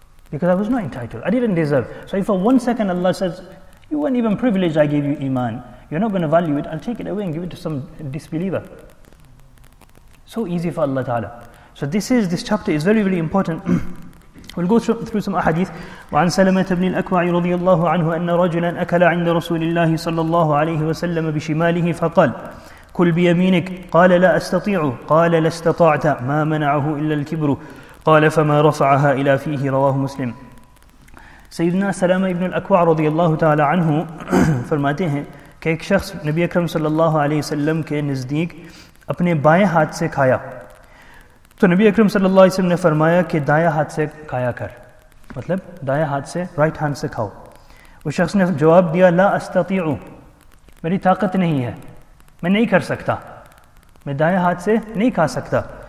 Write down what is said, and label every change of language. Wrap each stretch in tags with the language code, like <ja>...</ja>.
<en>Because I was not entitled, I didn't deserve. So if for one second Allah says, you weren't even privileged, I gave you Iman, you're not going to value it, I'll take it away and give it to some disbeliever. So easy for Allah Ta'ala. So this chapter is very, very important. We'll go through some ahadith.</en> <ar>وعن سلمة بن الأكوع رضي الله عنه أن رجلا أكل عند رسول الله صلى الله عليه وسلم بشماله فقال كل بيمينك قال لا أستطيع قال لا استطعت ما منعه إلا الكبر قال فما رفعها إلى فيه رواه مسلم. سيدنا سلمة بن الأكوع رضي الله تعالى عنه</ar> <ur>فرماته کہ ایک شخص نبی اکرم صلی اللہ علیہ وسلم کے نزدیک اپنے بائیں ہاتھ سے کھایا تو نبی اکرم صلی اللہ علیہ وسلم نے فرمایا کہ دایاں ہاتھ سے کھایا کر, مطلب دایاں ہاتھ سے,</ur> <en>right hand</en> <ur>سے کھاؤ. اس شخص نے جواب دیا,</ur> <ar>لا استطیع,</ar> <ur>میری طاقت نہیں ہے, میں نہیں کر سکتا, میں دایاں ہاتھ سے نہیں کھا سکتا.</ur>